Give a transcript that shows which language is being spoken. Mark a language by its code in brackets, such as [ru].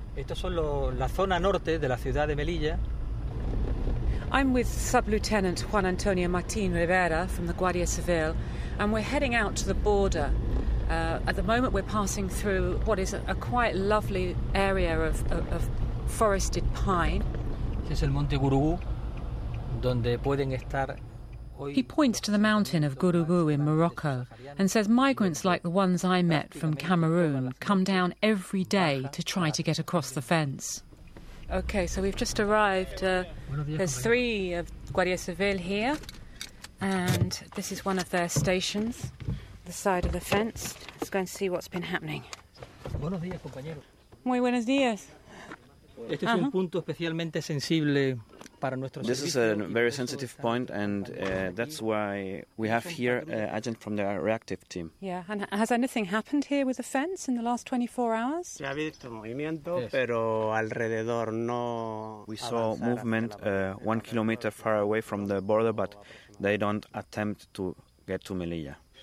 [en] I'm with Sub-Lieutenant Juan Antonio Martín Rivera from the Guardia Civil, and we're heading out to the border. At the moment, we're passing through what is a quite lovely area of forested pine. [es] Es el Monte Gurugú, donde pueden estar. [en] He points to the mountain of Gurugú in Morocco and says migrants like the ones I met from Cameroon come down every day to try to get across the fence. OK, so we've just arrived. There's three of Guardia Civil here, and this is one of their stations, the side of the fence. Let's go and see what's been happening. [es] Muy buenos días. Este es un punto especialmente sensible. [en] This is a very sensitive point, and that's why we have here an agent from the reactive team. Yeah, and has anything happened here with the fence in the last 24 hours? We saw movement 1 kilometer far away from the border, but they don't attempt to get to Melilla.